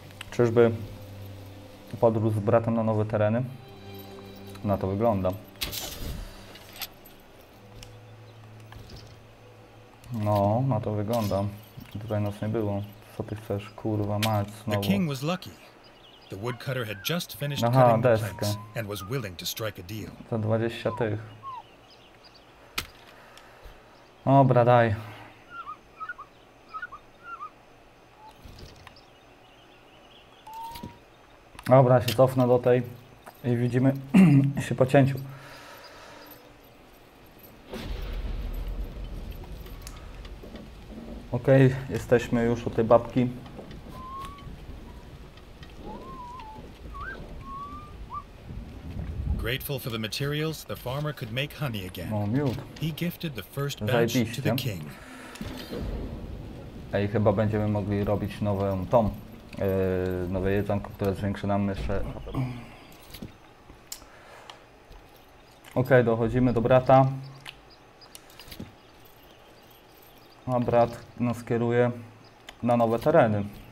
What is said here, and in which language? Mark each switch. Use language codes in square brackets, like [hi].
[pl] Czyżby podróż z bratem na nowe tereny? Na to wygląda. No, na to wygląda. Tutaj nas nie było. Co ty chcesz, kurwa, mać znowu? [en] The king was lucky. The woodcutter had just finished cutting the planks and was willing to strike a deal. [pl] Za 20 tych. Dobra, daj. Dobra, się cofnę do tej i widzimy się po cięciu. Okej, jesteśmy już u tej babki. [en] Grateful for the materials, the farmer could make honey again. [pl] O, miód. [en] He gifted the first batch to the king. [pl] Ej, chyba będziemy mogli robić nową tom. Nowe jedzonko, które zwiększy nam jeszcze. Okej, dochodzimy do brata. A brat nas kieruje na nowe tereny.